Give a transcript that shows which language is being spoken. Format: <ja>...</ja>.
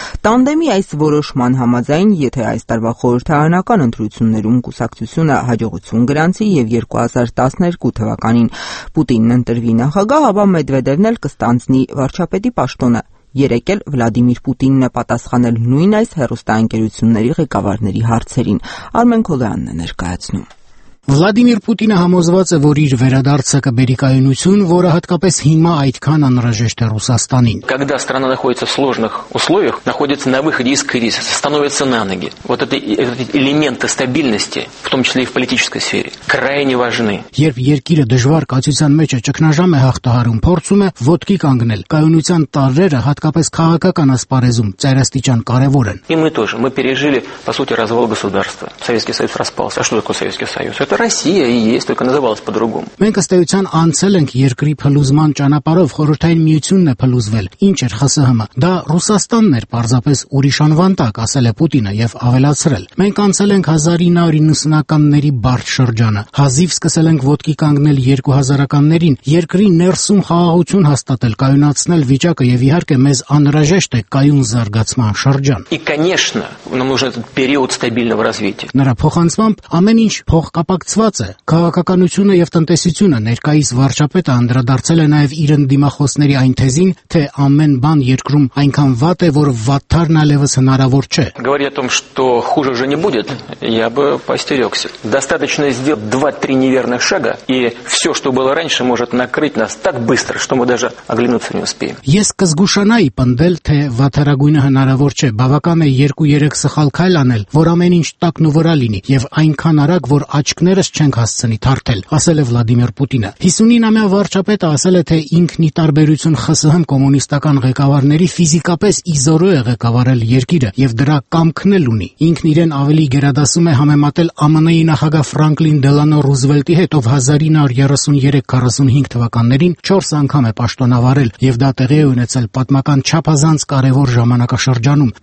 <hy>Տանդեմի այս որոշման համաձայն, եթե այս տարվա խորհրդարանական ընտրություններում կուսակցությունը հաջողություն գրանցի և 2012 թվականին Պուտինն ընտրվի նախագահ, ապա Մեդվեդևն էլ կստանձնի վարչապետի պաշտոնը։ Երեկ էլ Վլադիմիր Պուտինն է պատասխանել նույն այս հեռուստաընկերությունների ղեկավարների հարցերին, Արմեն Քոլյանն է ներկայացնում։ Վլադիմիր Պուտինը համոզված է, որ իր վերադարձը կբերի կայունություն, որը հատկապես հիմա այդքան անհրաժեշտ է Ռուսաստանին։</hy> <ru>Когда страна находится в сложных условиях, находится на выходе из кризиса, становится на ноги. Вот эти элементы стабильности, в том числе и в политической сфере, крайне важны.</ru> <hy>Երբ երկիրը դժվար կացության մեջ է, ճգնաժամ է հաղթահարում, փորձում է ոտքի կանգնել, կայունության տարրերը հատկապես քաղաքական ասպարեզում ծայրաստիճան կարևոր են։</hy> <ru>И мы тоже, мы пережили, по сути, развал государства. Советский Союз распался. А что такое Советский Союз? Это Россия и есть, только называлась по-другому.</ru> <hy>Մենք հստայության անցել ենք երկրի փլուզման ճանապարհով, խորհրդային միությունն է փլուզվել, ինչ էր ԽՍՀՄ-ը։ Դա Ռուսաստանն էր պարզապես ուրիշ անվանտակ, ասել է Պուտինը եւ ավելացրել. Մենք անցել ենք 1990-ականների բարձ շրջանը, հազիվ սկսել ենք ոտքի կանգնել 2000-ականներին, երկրի ներսում խաղաղություն հաստատել, կայունացնել վիճակը եւ իհարկե մեզ անհրաժեշտ է կայուն զարգացման շրջան։</hy> <ru>И, конечно, нам нужен этот период стабильного развития.</ru> <hy>Նրա փոխանցումը ամեն ինչ փոխկապակցված է։ Քաղաքականությունը եւ տնտեսությունը ներկայիս վարչապետը անդրադարձել է նաեւ իր ընդդիմախոսների այն թեզին, թե ամեն բան երկրում այնքան վատ է, որ վատթարն այլևս հնարավոր չէ։</hy> <ru>Говоря о том, что хуже уже не будет, я бы постерёгся. Достаточно сделать 2-3 неверных шага, и всё, что было раньше, может накрыть нас так быстро, что мы даже оглянуться не успеем.</ru> <hy>Ես կզգուշանայի պնդել, թե վատթարագույնը հնարավոր չէ, բավական է 2-3 սխալ քայլ անել, որ ամեն ինչ տակ ու վրա լինի, եւ այնքան արագ, որ աչքերս չենք հասցնի թարթել, ասել է Վլադիմիր Պուտինը։ 59-ամյա վարչապետը ասել է, թե ինքնի տարբերություն ԽՍՀՄ կոմունիստական ղեկավարների ֆիզիկապես իզորո է ղեկավարել երկիրը եւ դրա կամքնել ունի։ Ինքն իրեն ավելի գերադասում է համեմատել ԱՄՆ-ի նախագահ Ֆրանկլին Դելանո Ռուզվելտի հետ, ով 1933-45 թվականներին 4 անգամ է պաշտոնավարել եւ դա տեղի է ունեցել պատմական չափազանց կարեւոր ժամանակաշրջանում՝</hy>